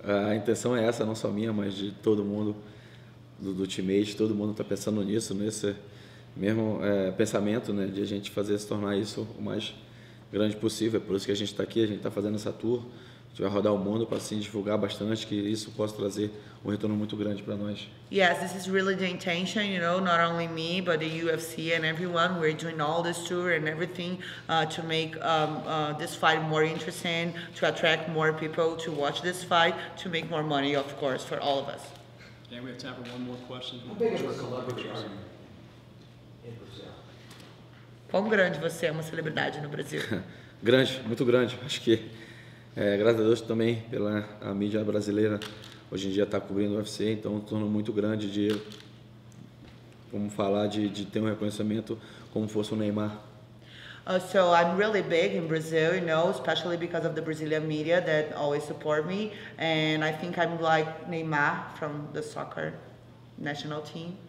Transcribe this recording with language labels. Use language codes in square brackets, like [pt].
[pt] A intenção é essa, não só minha, mas de todo mundo, do teammate, todo mundo está pensando nisso, nesse mesmo pensamento, né? De a gente fazer se tornar isso o mais grande possível. É por isso que a gente está aqui, a gente está fazendo essa tour. A gente vai rodar o mundo para assim divulgar bastante, que isso possa trazer um retorno muito grande para nós. [en] Yes, this is really the intention, you know, not only me, but the UFC and everyone. We're doing all this tour and everything to make this fight more interesting, to attract more people to watch this fight, to make more money, of course, for all of us. Dan, we have time for one more question. [pt] Quão grande você é uma celebridade no Brasil? Grande, muito grande, acho que... graças a Deus também pela a mídia brasileira, hoje em dia está cobrindo o UFC, então tornou muito grande de, vamos falar, de ter um reconhecimento como fosse o Neymar. [en] So I'm really big in Brazil, you know, especially because of the Brazilian media that always support me, and I think I'm like Neymar from the soccer national team.